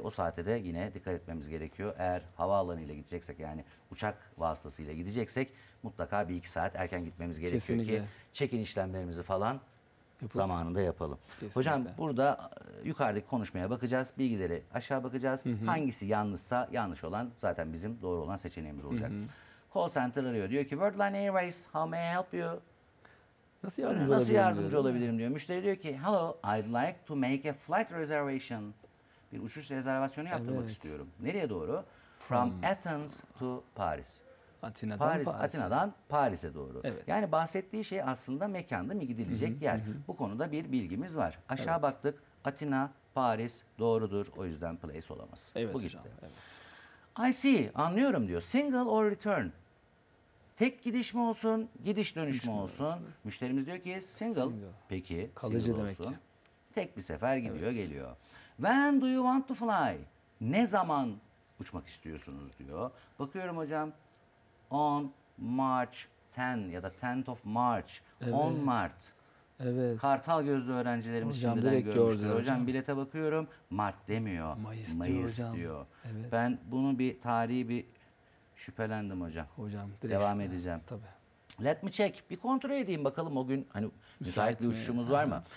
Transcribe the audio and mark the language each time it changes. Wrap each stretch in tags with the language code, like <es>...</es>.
<tr>O saate de yine dikkat etmemiz gerekiyor. Eğer havaalanıyla gideceksek, yani uçak vasıtasıyla gideceksek mutlaka bir iki saat erken gitmemiz gerekiyor. Kesinlikle. Ki check-in işlemlerimizi falan zamanında yapalım. Kesinlikle. Hocam burada yukarıdaki konuşmaya bakacağız. Bilgileri aşağı bakacağız. Hangisi yanlışsa, yanlış olan zaten bizim doğru olan seçeneğimiz olacak. Call center arıyor. Diyor ki</tr> <en>Worldline Airways, how may I help you?</en> <tr>Nasıl yardımcı olabilirim diyor. Müşteri diyor ki</tr> <en>hello, I'd like to make a flight reservation.</en> <tr>Bir uçuş rezervasyonu yaptırmak istiyorum. Nereye doğru?</tr> <en>From Athens to Paris.</en> <tr>Atina'dan Paris'e doğru. Evet. Yani bahsettiği şey aslında mekan değil mi? Gidilecek yer. Bu konuda bir bilgimiz var. Aşağı baktık. Atina, Paris doğrudur. O yüzden place olamaz. Evet, bu gitti. Hocam, evet.</tr> <en>I see,</en> <tr>anlıyorum diyor.</tr> <en>Single or return?</en> <tr>Tek gidiş mi olsun, gidiş dönüş mü olsun? Müşterimiz diyor ki single. Peki, kalıcı single demek olsun. Ki. Tek bir sefer gidiyor, geliyor.</tr> <en>When do you want to fly?</en> <tr>Ne zaman uçmak istiyorsunuz diyor. Bakıyorum hocam.</tr> <en>On March 10 ya da 10th of March.</en> <tr>Evet. 10 Mart. Evet. Kartal gözlü öğrencilerimiz hocam, şimdiden görmüştür. Hocam bilete bakıyorum. Mart demiyor. Mayıs diyor. Evet. Ben bunu bir tarihi bir şüphelendim hocam. Hocam devam edeceğim. Tabii.</tr> <en>Let me check.</en> <tr>Bir kontrol edeyim bakalım o gün hani müsait bir uçuşumuz var mı?</tr>